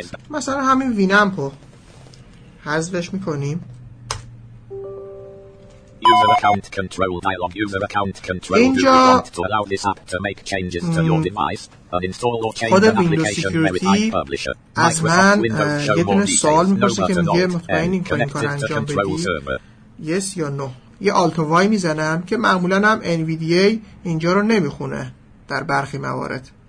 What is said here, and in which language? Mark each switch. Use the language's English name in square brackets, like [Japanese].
[Persian] مثلا همین وینامپ رو حذفش میکنیم. [English] User account control dialog. User account control. [Persian] اینجا [English] do you want to allow this app to make changes to your device? Uninstall or change the application verified publisher. [Persian] از من یه دونه سوال میپرسه که میگه مطمئن این کار رو انجام بدی؟ Yes یا no. یه alt y میزنم که معمولا هم NVDA اینجا رو نمیخونه در برخی موارد.